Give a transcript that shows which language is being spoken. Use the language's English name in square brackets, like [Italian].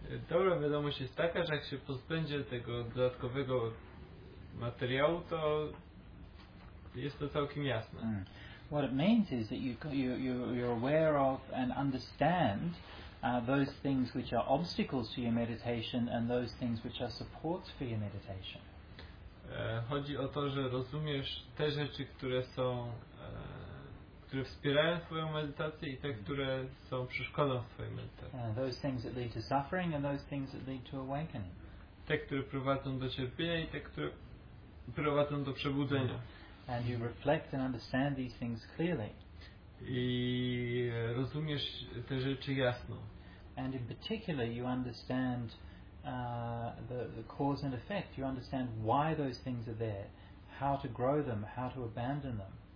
[Polish] Dobra wiadomość jest taka, że jak się pozbędzie tego dodatkowego materiału, to jest to całkiem jasne. Mm. [English] What it means is that you're aware of and understand those things which are obstacles to your meditation and those things which are supports for your meditation. [Polish] Chodzi o to, że rozumiesz te rzeczy, które są, które wspierają twoją medytację i te, które są przeszkodą w twojej medytacji. [English] Those things that lead to suffering and those things that lead to awakening. [Polish] Te, które prowadzą do cierpienia i te, które prowadzą do przebudzenia. [English] And you reflect and understand these things clearly. [Polish] I rozumiesz te rzeczy jasno. [English] And in particular you understand the cause and effect. You understand why those things are there, how to grow them, how to abandon them.